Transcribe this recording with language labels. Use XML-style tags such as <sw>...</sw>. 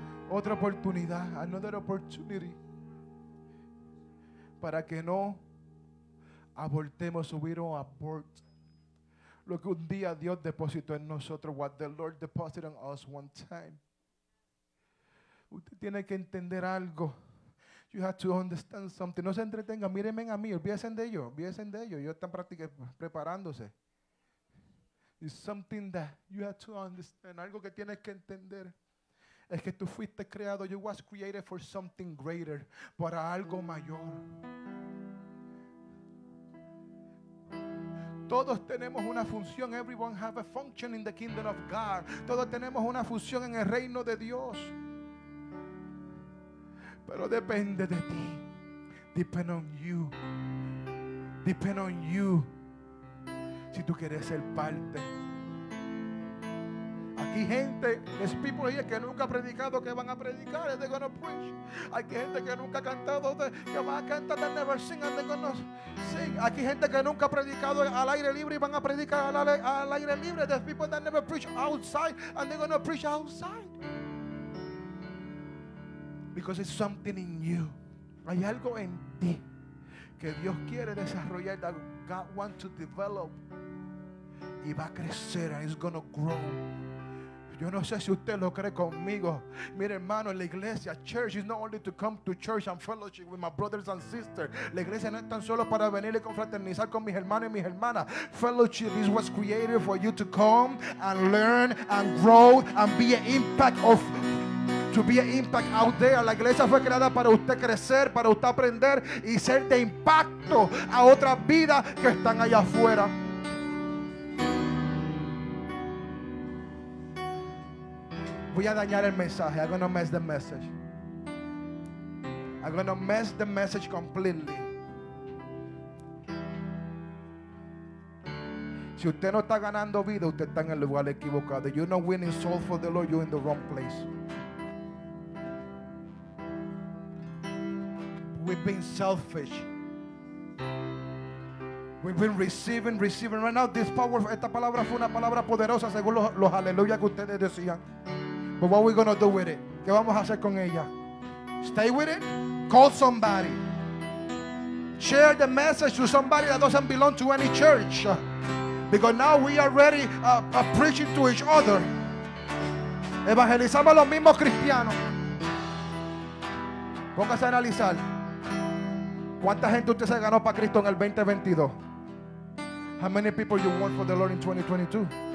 <es>Otra oportunidad.</es> <en>Another opportunity.</en> <es>Para que no abortemos, subieron a abort. Lo que un día Dios depositó en nosotros.</es> <en>What the Lord deposited in us one time.</en> <es>Usted tiene que entender algo.</es> <en>You have to understand something.</en> <es>No se entretenga. Mírenme a mí. Olvídense de ellos. Olvídense de ellos. Ellos están practicando, preparándose.</es> <en>It's something that you have to understand.</en> <es>Algo que tienes que entender. Es que tú fuiste creado.</es> <en>You was created for something greater.</en> <es>Para algo mayor. Todos tenemos una función.</es> <en>Everyone have a function in the kingdom of God.</en> <es>Todos tenemos una función en el reino de Dios. Pero depende de ti.</es> <en>Depend on you. Depend on you.</en> <es>Si tú quieres ser parte. Aquí gente,</es> <en>there's people here</en> <es>que nunca ha predicado, que van a predicar,</es> <en>they're gonna preach.</en> <es>Aquí gente que nunca ha cantado, que van a cantar,</es> <en>they never sing, and they're gonna sing.</en> <es>Aquí gente que nunca ha predicado al aire libre y van a predicar al aire libre.</es> <en>There's people that never preach outside, and they're gonna preach outside. Because it's something in you.</en> <es>Hay algo en ti que Dios quiere desarrollar,</es> <en>that God wants to develop.</en> <es>Y va a crecer,</es> <en>and it's going to grow.</en> <es>Yo no sé si usted lo cree conmigo. Mire, hermano, la iglesia,</es> <en>church, is not only to come to church and fellowship with my brothers and sisters.</en> <es>La iglesia no es tan solo para venir y confraternizar con mis hermanos y mis hermanas.</es> <en>Fellowship is what's created for you to come and learn and grow and be an impact of to be an impact out there.</en> <es>La iglesia fue creada para usted crecer, para usted aprender y ser de impacto a otras vidas que están allá afuera. Voy a dañar el mensaje.</es> <en>I'm gonna mess the message. I'm gonna mess the message completely.</en> <es>Si usted no está ganando vida, usted está en el lugar equivocado.</es> <en>You're not winning soul for the Lord, you're in the wrong place. We've been selfish. We've been receiving. Right now, this power,</en> <es>esta palabra fue una palabra poderosa según los aleluya que ustedes decían.</es> <en>But what are we going to do with it?</en> <es>¿Qué vamos a hacer con ella?</es> <en>Stay with it. Call somebody. Share the message to somebody that doesn't belong to any church. Because now we are ready preaching to each other.</en> <es>Evangelizamos los mismos cristianos. Póngase a analizar. ¿Cuánta gente usted se ganó para Cristo en el 2022?</es> <en>How many people you won for the Lord in 2022?</en>